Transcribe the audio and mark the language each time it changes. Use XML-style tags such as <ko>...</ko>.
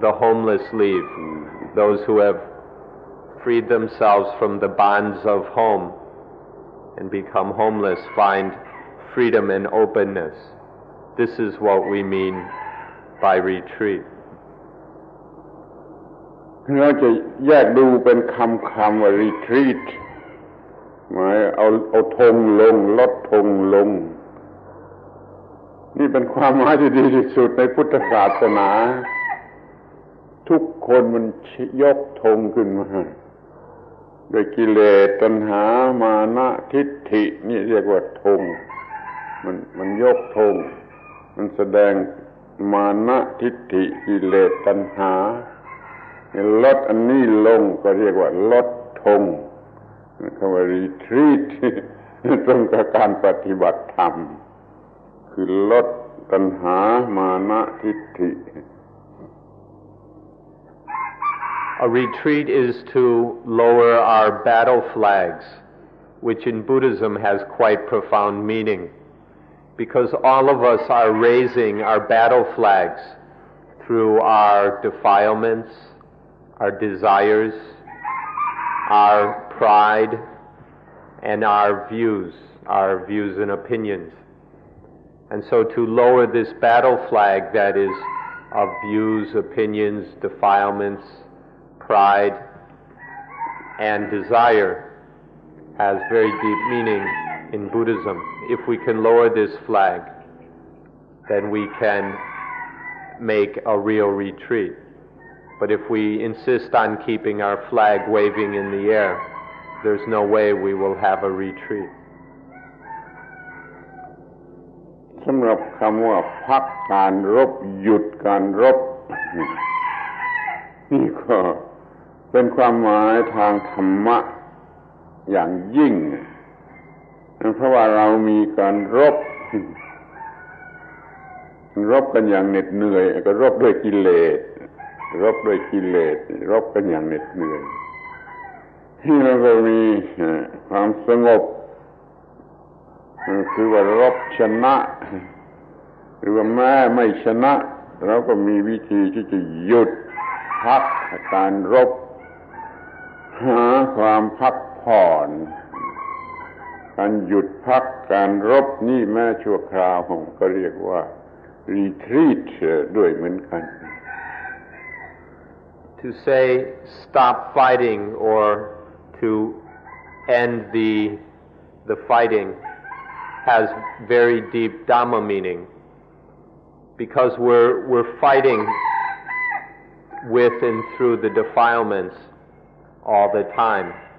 <en>The homeless lead. Mm-hmm. Those who have freed themselves from the bonds of home and become homeless find freedom and openness. This is what we mean by retreat.</en> <th>เราจะแยกดูเป็นคำว่า retreat หมายเอาธงลงลดธงลงนี่เป็นความหมายที่ดีที่สุดในพุทธศาสนา ทุกคนมันยกธงขึ้นมาด้วยกิเลสตัณหามานะทิฏฐินี่เรียกว่าธงมันยกธงมันแสดงมานะทิฏฐิกิเลสตัณหาลดอันนี้ลงก็เรียกว่าลดธงคำว่า retreat ตรงกับการปฏิบัติธรรมคือลดตัณหามานะทิฏฐิ</th> <en>A retreat is to lower our battle flags, which in Buddhism has quite profound meaning, because all of us are raising our battle flags through our defilements. Our desires, our pride, and our views and opinions. And so to lower this battle flag that is of views, opinions, defilements, pride, and desire has very deep meaning in Buddhism. If we can lower this flag, then we can make a real retreat. But if we insist on keeping our flag waving in the air, there's no way we will have a retreat.</en> <th>ำหรับคำว่าพักการรบหยุดการรบนี่ก็เป็นความหมายทางธรรมะอย่างยิ่งเพราะว่าเรามีการรบ รบกันอย่างเหน็ดเหนื่อยก็รบด้วยกิเลสรบด้วยกิเลสรบกันอย่างเหน็ดเหนื่อยที่เราก็มีความสงบ คือว่ารบชนะหรือว่าแม้ไม่ชนะเราก็มีวิธีที่จะหยุดพักการรบหาความพักผ่อนการหยุดพักการรบนี่แม้ชั่วคราวผมก็เรียกว่ารีทรีตด้วยเหมือนกัน</th> <en>To say stop fighting or to end the fighting has very deep Dhamma meaning because we're fighting with and through the defilements all the time.</en>